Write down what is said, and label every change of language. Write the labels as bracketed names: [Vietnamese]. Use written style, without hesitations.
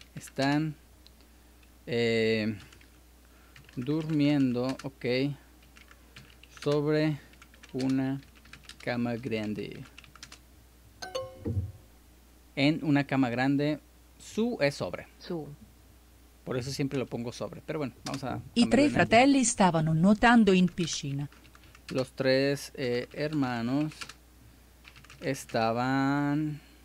[Spanish] Están durmiendo, ok, sobre una cama grande. En una cama grande. Su es sobre. [Italian] Su. [Spanish] Por eso siempre lo pongo sobre. Pero bueno, vamos a... [Italian] I tre fratelli stavano nuotando in piscina. [Spanish] Los tres hermanos estaban...